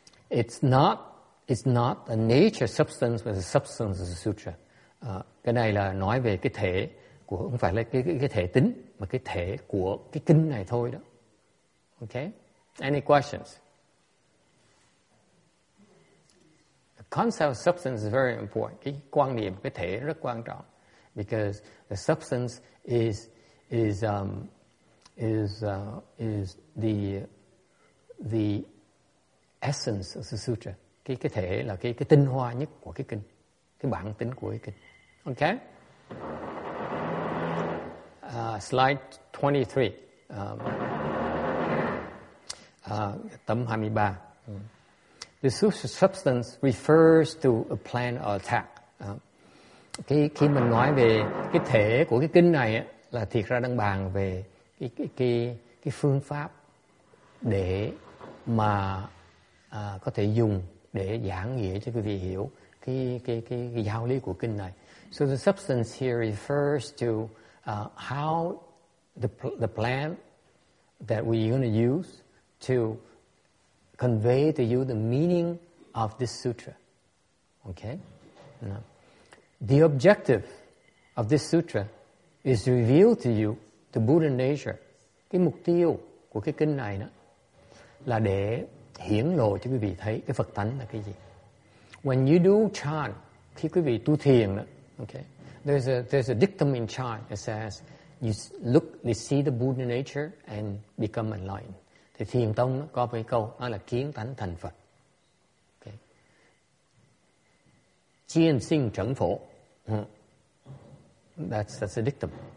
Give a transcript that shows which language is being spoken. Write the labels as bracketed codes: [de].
[en] It's not a nature substance, but the substance of the sutra. [vi] Cái này là nói về cái thể của, không phải là cái thể tính, mà cái thể của cái kinh này thôi đó. [en] Okay? Any questions? Concept of substance is very important. [vi] Cái quan niệm, cái thể rất quan trọng. [en] Because the substance is the essence of the sutra. [vi] Cái thể là cái tinh hoa nhất của cái kinh. Cái bản tính của cái kinh. [en] Okay? Slide 23. [vi] Tấm 23. [en] The substance refers to a plan or attack. [vi] Khi mình nói về cái thể của cái kinh này là thiệt ra đang bàn về cái phương pháp để mà có thể dùng để giảng nghĩa cho quý vị hiểu cái giáo lý của kinh này. [en] So the substance here refers to how the plan that we're going to use to convey to you the meaning of this sutra. Okay? Now, the objective of this sutra is to reveal to you the Buddha nature. [vi] Cái mục tiêu của cái kinh này đó là để hiển lộ cho quý vị thấy cái Phật tánh là cái gì. [en] When you do chant, [vi] khi quý vị tu thiền đó, [en] okay, there's a dictum in chant that says you look, you see the Buddha nature and become enlightened. [vi] Thì thiền tông có một câu đó là kiến tánh thành Phật. Okay. Chiên sinh trấn phổ. [en] That's a dictum.